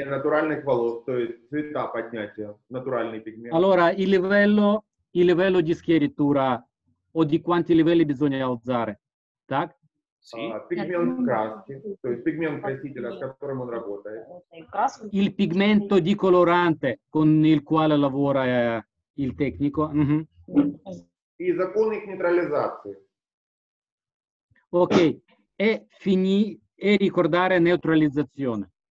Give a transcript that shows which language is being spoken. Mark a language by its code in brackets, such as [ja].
[ru] Натуральных волос, то есть цвета поднятия, натуральный пигмент. [it] Allora, il livello di schiaritura o di quanti livelli bisogna alzare, так? Sì. [ru] Пигмент краски, то есть пигмент красителя, с которым он работает. [it] Il pigmento di colorante con il quale lavora il tecnico. [ru] И законы их нейтрализации. [it] Окей. E fini. E ricordare neutralizzazione.